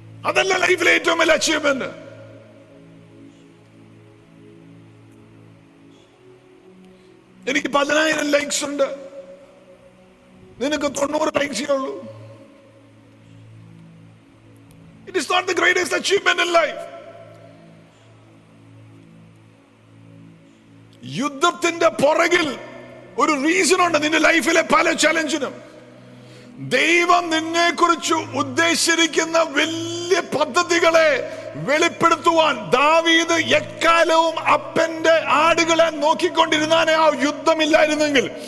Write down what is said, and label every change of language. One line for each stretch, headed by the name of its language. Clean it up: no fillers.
Malayalam: അതല്ല ലൈഫിലെ ഏറ്റവും വലിയ അച്ചീവ്മെന്റ്. എനിക്ക് 10,000 ലൈക്സ് ഉണ്ട്, നിനക്ക് 90 ലൈക്സേ ഉള്ളൂ.
English: It is not the greatest achievement in life.
Malayalam: യുദ്ധത്തിന്റെ പുറകിൽ ഒരു റീസൺ ഉണ്ട് നിന്റെ ലൈഫിലെ പല ചലഞ്ചിനും. ദൈവം നിന്നെ കുറിച്ച് ഉദ്ദേശിച്ചിരിക്കുന്ന വലിയ പദ്ധതികളെ വെളിപ്പെടുത്തുവാൻ ദാവീദ് എക്കാലവും അപ്പന്റെ ആടുകളെ നോക്കിക്കൊണ്ടിരുന്നാനേ ആ യുദ്ധം ഇല്ലായിരുന്നെങ്കിൽ.